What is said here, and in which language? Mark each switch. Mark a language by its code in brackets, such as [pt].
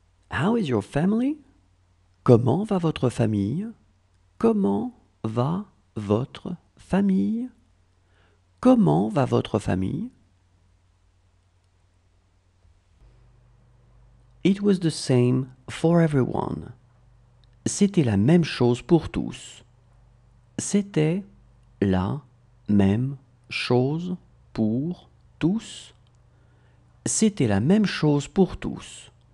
[en] How is your family? [fr] Comment va votre famille? Comment va votre famille? Comment va votre famille? [en] It was the same for everyone. [fr] C'était la même chose pour tous. C'était la même chose pour tous. C'était la même chose pour tous.